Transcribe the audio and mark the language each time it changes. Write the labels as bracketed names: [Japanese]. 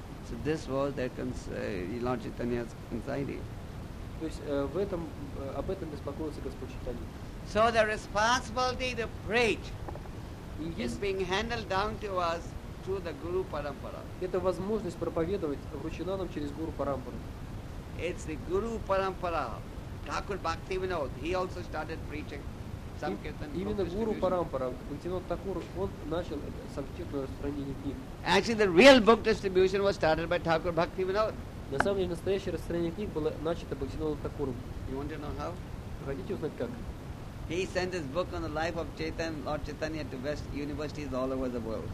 [English] So this was their Lord Chaitanya's anxiety. [Russian] То есть в этом об этом беспокоился Господь Чайтанья. [English] So the responsibility to preach is being handled down to us through the Guru Parampara. [Russian] Это возможность проповедовать вручена нам через Гуру Парампару. [English] It's the Guru Parampara. Thakur Bhaktivinoda, he also started preaching. [Russian] Именно Гуру Парампара, Бхактивинода Такур, он начал санкетное распространение книг. [English] Actually, the real book distribution was started by Thakur Bhaktivinoda. [Russian] На самом деле, настоящее распространение книг было начато Бхактивинодом Такуром. [English] You want to know how? [Russian] Хотите узнать как? [English] He sent his book on the life of Lord Chaitanya to best universities all over the world.